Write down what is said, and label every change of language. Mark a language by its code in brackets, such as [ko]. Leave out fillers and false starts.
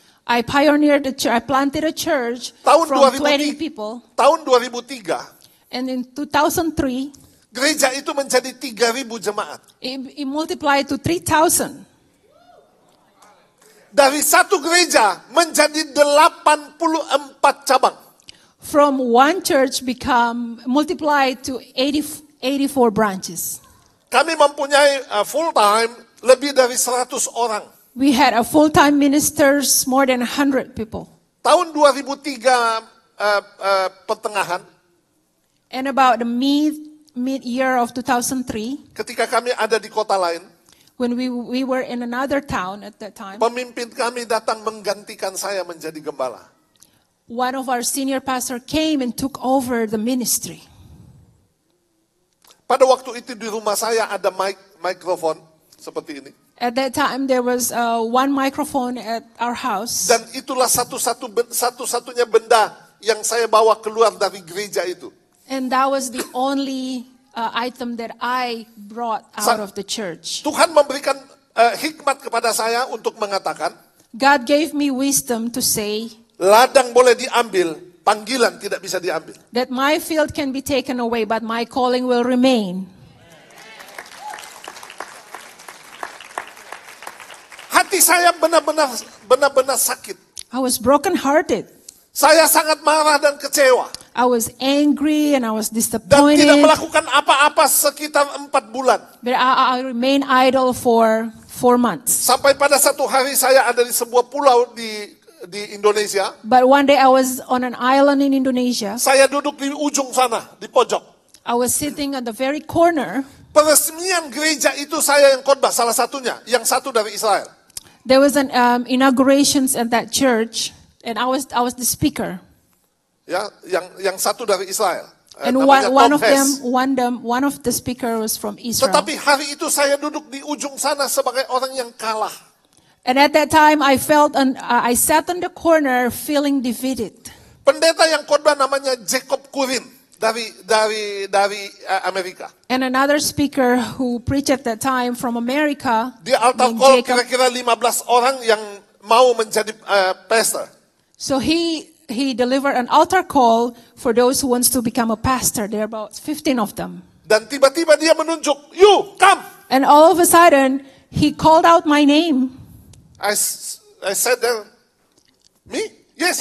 [en] I pioneered the church. I planted a church [id] tahun [en] from 20 people. [id] Tahun 2003. [en] And in 2003. [id] Gereja itu menjadi 3.000 jemaat. [en] It multiplied to 3.000. [id] Dari satu gereja menjadi 84 cabang. [en] From one church become multiplied to 84 branches. [id] Kami mempunyai full time lebih dari 100 orang. [en] We had a full time ministers more than 100 people. [id] Tahun 2003 pertengahan. [en] And about the mid-year of 2003. [id] Ketika kami ada di kota lain, [en] when we were in another town at that time, [id] pemimpin kami datang menggantikan saya menjadi gembala. [en] One of our senior pastor came and took over the ministry. [id] Pada waktu itu di rumah saya ada microphone seperti ini. [en] At that time there was one microphone at our house. [id] Dan itulah satu-satunya benda yang saya bawa keluar dari gereja itu. [en] And that was the only item that I brought out of the church. [id] Tuhan memberikan hikmat kepada saya untuk mengatakan, [en] God gave me wisdom to say, [id] ladang boleh diambil, panggilan tidak bisa diambil. [en] That my field can be taken away, but my calling will remain. [id] Hati saya benar-benar sakit. [en] I was broken-hearted. [id] Saya sangat marah dan kecewa. [en] I was angry and I was disappointed. [id] Dan tidak melakukan apa-apa sekitar 4 bulan. [en] But I remained idle for 4 months. [id] Sampai pada satu hari saya ada di sebuah pulau di Indonesia. [en] But one day I was on an island in Indonesia. [id] Saya duduk di ujung sana, di pojok. [en] I was sitting at the very corner. [id] Peresmian gereja itu saya yang khotbah salah satunya, yang satu dari Israel. [en] There was an inaugurations at that church. And I was the speaker. [id] Ya, yang satu dari Israel. [en] And one of the speaker was from Israel. [id] Tetapi hari itu saya duduk di ujung sana sebagai orang yang kalah. [en] And at that time I felt and I sat on the corner feeling defeated. [id] Pendeta yang khotbah namanya Jacob Kurin. dari Amerika. [en] And another speaker who preached at that time from America. [id] Di altar call kira-kira 15 orang yang mau menjadi pastor. [en] So he delivered an altar call for those who wants to become a pastor. There are about 15 of them. [id] Dan tiba-tiba dia menunjuk, [en] you, come. And all of a sudden, he called out my name. I said, me? Yes.